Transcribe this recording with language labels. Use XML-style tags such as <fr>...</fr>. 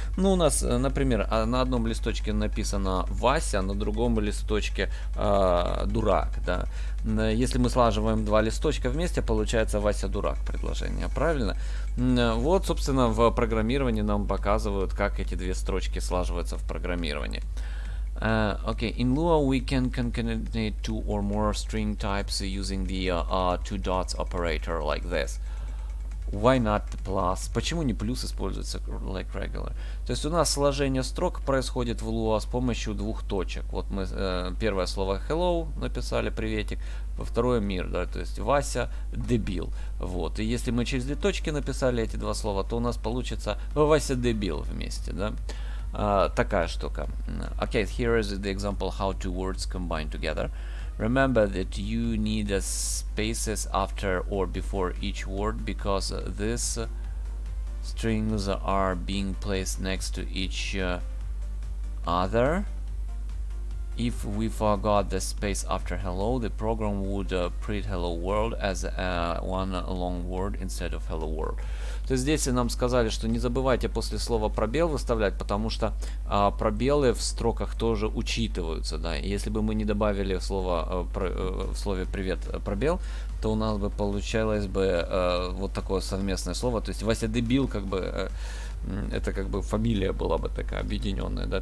<ru>Ну, у нас, например, на одном листочке написано Вася, на другом листочке дурак, да? Если мы слаживаем два листочка вместе, получается Вася дурак предложение, правильно? Вот, собственно, в программировании нам показывают, как эти две строчки слаживаются в программировании.</ru> <en>Okay, in Lua we can concatenate two or more string types using the two dots operator like this. Why not the plus?</en> <ru>Почему не плюс используется</ru> <en>like regular?</en> <ru>То есть у нас сложение строк происходит в Lua с помощью двух точек. Вот мы первое слово hello написали, приветик. Во второе мир, да, то есть Вася дебил. Вот, и если мы через две точки написали эти два слова, то у нас получится Вася дебил вместе, да. Такая штука.</ru> <en>Okay, here is the example how two words combine together. Remember that you need a spaces after or before each word because these strings are being placed next to each other. If we forgot the space after hello, the program would print hello world as one long word instead of hello world.</en> <ru>То есть здесь нам сказали, что не забывайте после слова пробел выставлять, потому что пробелы в строках тоже учитываются, да. И если бы мы не добавили слово в слове привет пробел, то у нас бы получалось бы вот такое совместное слово. То есть Вася дебил, как бы это как бы фамилия была бы такая объединенная, да.</ru>